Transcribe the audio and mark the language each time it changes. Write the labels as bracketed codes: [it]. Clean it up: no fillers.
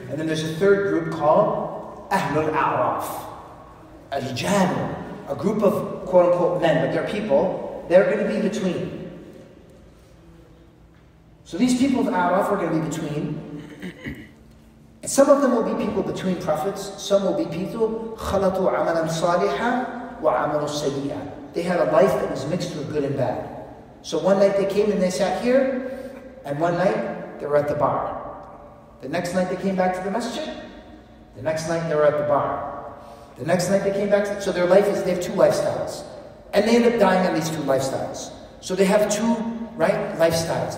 [en] And then there's a third group called Ahlul A'raf. Al-Jan, a group of quote-unquote men, but they're people, they're going to be between. So these people of A'raf are going to be between. And some of them will be people between prophets. Some will be people [ar] خلطوا عملا صالحا وعملوا سيئا. [en] They had a life that was mixed with good and bad. So one night they came and they sat here, and one night they were at the bar. The next night they came back to the masjid. The next night they were at the bar. The next night they came back. So their life is, they have two lifestyles, and they end up dying on these two lifestyles. So they have two. Right? Lifestyles.